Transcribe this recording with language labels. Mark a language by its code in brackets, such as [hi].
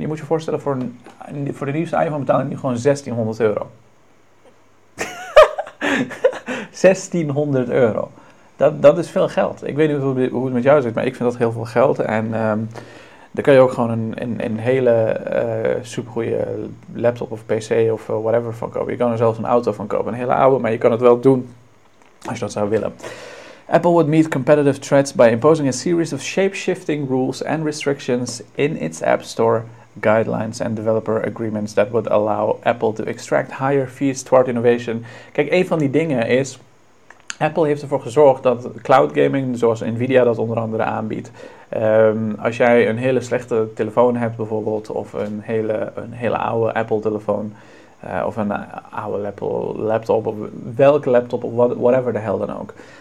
[nl] Je moet je voorstellen, voor de nieuwste iPhone betaal ik nu gewoon €1600. €1600. Dat is veel geld. Ik weet niet hoe het met jou zit, maar ik vind dat heel veel geld. En dan kan je ook gewoon een hele supergoeie laptop of pc of whatever van kopen. Je kan er zelfs een auto van kopen, een hele oude, maar je kan het wel doen als je dat zou willen. [en] Apple would meet competitive threats by imposing a series of shape-shifting rules and restrictions in its App Store guidelines and developer agreements that would allow Apple to extract higher fees toward innovation. [nl] Kijk, een van die dingen is, Apple heeft ervoor gezorgd dat cloud gaming, zoals Nvidia dat onder andere aanbiedt, als jij een hele slechte telefoon hebt bijvoorbeeld, of een hele oude Apple telefoon, of een oude Apple laptop, of welke laptop, of [en] whatever the hell [nl] dan ook.